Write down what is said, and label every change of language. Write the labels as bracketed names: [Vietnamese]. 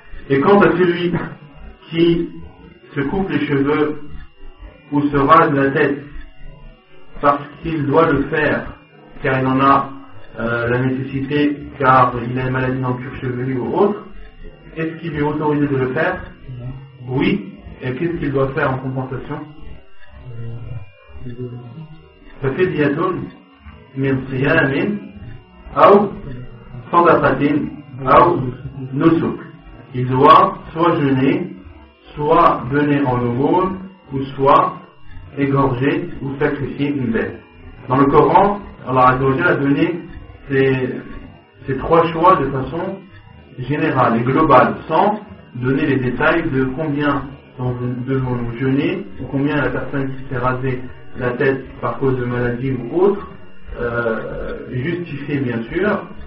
[French] Et quant à celui qui se coupe les cheveux ou se rase la tête parce qu'il doit le faire, car il en a la nécessité, car il a une maladie dans le cuir chevelu ou autre, est-ce qu'il lui est autorisé de le faire? Oui. Et qu'est-ce qu'il doit faire en compensation? [Arabic] ففدية من صيام أو صدقة أو نسك. [French] Il doit soit jeûner, soit donner en aumône, ou soit égorger ou sacrifier une bête. Dans le Coran, Allah Azza wa Jalla a donné ces trois choix de façon générale et globale, sans donner les détails de combien devons-nous jeûner, ou combien la personne qui s'est rasée la tête par cause de maladie ou autre, justifiée bien sûr.